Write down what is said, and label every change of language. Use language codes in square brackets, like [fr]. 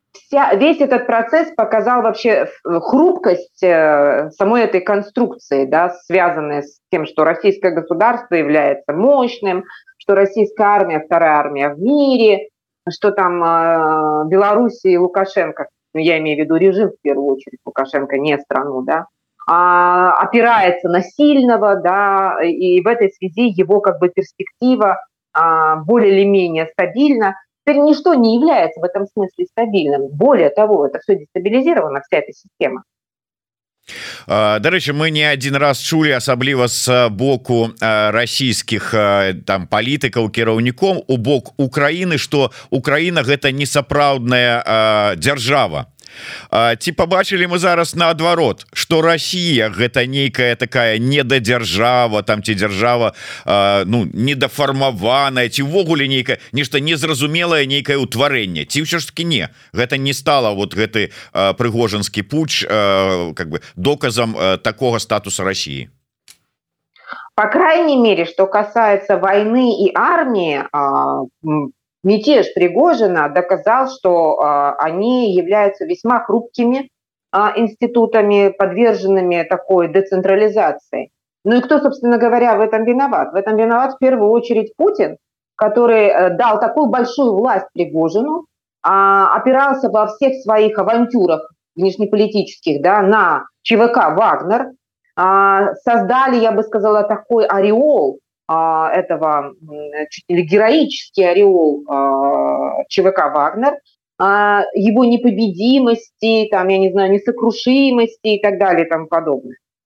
[ru] Весь этот процесс показал вообще хрупкость самой этой конструкции, да, связанной с тем, что российское государство является мощным, что российская армия – вторая армия в мире, что там Беларусь и Лукашенко, ну, я имею в виду режим в первую очередь, Лукашенко не страну, да, опирается на сильного, да, и в этой связи его как бы перспектива более или менее стабильна. Теперь ничто не является в этом смысле стабильным. Более того, это все дестабилизировано, вся эта система. [be] Дарэчы, мы не адзін раз чулі, асабліва з боку расійскіх там палітыкаў, кіраўнікоў у бок Украіны, што Украіна гэта не сапраўдная дзяржава. Ці пабачылі мы зараз наадварот, што Расія гэта нейкая такая недадзяржава, там ці дзяржава, ну, недафармаваная, ці ўвогуле нейкая нешта незразумелае нейкае ўтварэнне, ці ўсё ж такі не, гэта не стала вот гэты прыгожанскі пуч, [ru] как бы [be] доказам такога статуса Расіі. [ru] Па крайней мере, што касаецца вайны і арміі, мятеж Пригожина доказал, что они являются весьма хрупкими институтами, подверженными такой децентрализации. Ну и кто, собственно говоря, в этом виноват? В этом виноват в первую очередь Путин, который дал такую большую власть Пригожину, опирался во всех своих авантюрах внешнеполитических, да, на ЧВК «Вагнер», создали, я бы сказала, такой ореол, этого чуть ли героический ореол ЧВК «Вагнер», его непобедимости, там, я не знаю, несокрушимости и так далее и тому подобное.